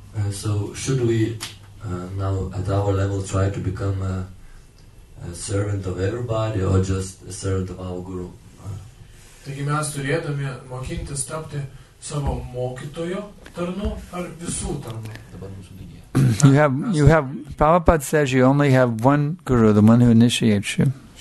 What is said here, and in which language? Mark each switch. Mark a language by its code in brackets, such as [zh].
[en] So should we now at our level try to become a servant of everybody or just a servant of our guru? [lt] Taigi mes turėtume mokintis tapti savo mokytojo tarnu ar visų tarnu? [en] You have, Prabhupada says you only have one guru, the one who initiates you.